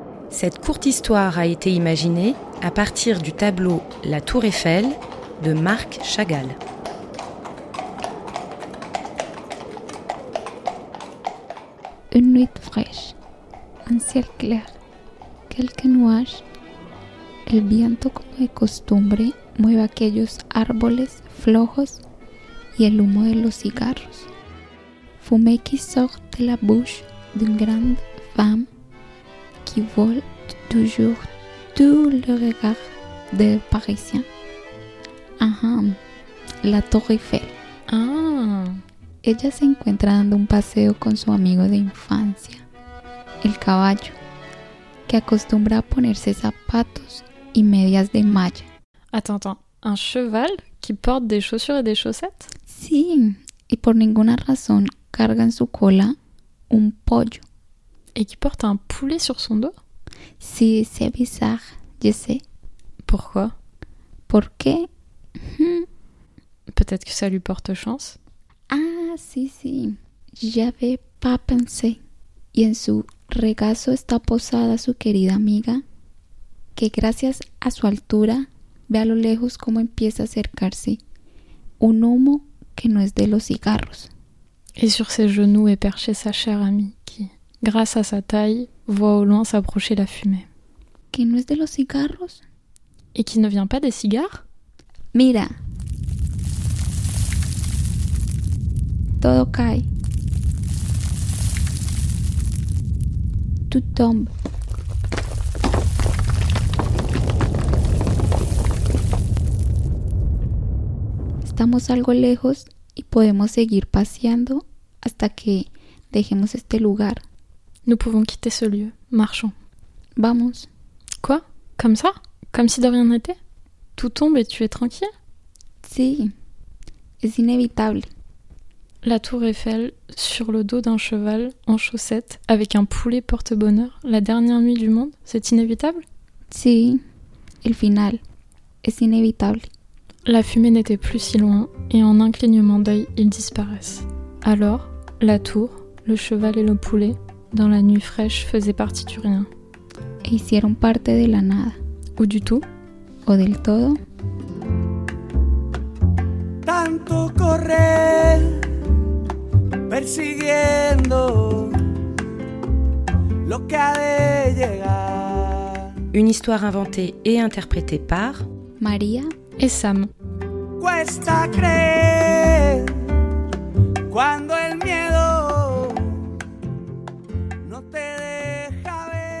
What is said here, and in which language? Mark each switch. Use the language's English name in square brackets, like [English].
[French] Cette courte histoire a été imaginée à partir du tableau La Tour Eiffel de Marc Chagall. Une nuit fraîche, un ciel clair, quelques nuages. [Spanish] El viento, como de costumbre, mueve aquellos árboles flojos y el humo de los cigarros. [French] Fumé qui sort de la bouche d'une grande femme qui vole toujours tout le regard des Parisiens. La Torre Eiffel. [Spanish] Ella se encuentra dando un paseo con su amigo de infancia, el caballo, que acostumbra a ponerse zapatos y medias de malla. [French] Attends, un cheval qui porte des chaussures et des chaussettes? [Spanish] Sí, y por ninguna razón carga en su cola un pollo. [French] Et qui porte un poulet sur son dos? Sí, c'est bizarre, je sais. Pourquoi? [Spanish] Porque... [French] Peut-être que ça lui porte chance. [Spanish] Ah, sí, [French] j'avais pas pensé. [Spanish] Y en su regazo está posada su querida amiga, que gracias a su altura ve a lo lejos cómo empieza a acercarse un humo que no es de los cigarros. [French] Y sur ses genoux est perché sa chère amie qui, grâce à sa taille, voit au loin s'approcher la fumée. [Spanish] Que no es de los cigarros. [French] Et qui ne vient pas des cigares. [Spanish] Mira. Todo cae. [French] Tout tombe. [Spanish] Estamos algo lejos y podemos seguir paseando hasta que dejemos este lugar. [French] Nous pouvons quitter ce lieu. Marchons. [Spanish] Vamos. [French] Quoi? Comme ça? Comme si de rien n'était? Tout tombe et tu es tranquille? [Spanish] Sí. Es inevitable. [French] La tour Eiffel, sur le dos d'un cheval, en chaussettes, avec un poulet porte-bonheur, la dernière nuit du monde, c'est inévitable? [Spanish] Sí. El final. Es inevitable. [French] La fumée n'était plus si loin, et en un clignement d'œil, ils disparaissent. Alors, la tour, le cheval et le poulet, dans la nuit fraîche, faisaient partie du rien. [Spanish] Et hicieron parte de la nada. [French] Ou du tout. [Spanish] O del todo. Tanto correr, persiguiendo lo que ha de llegar. [French] Une histoire inventée et interprétée par Maria et Sam. [Spanish] Cuesta creer cuando el miedo no te deja ver.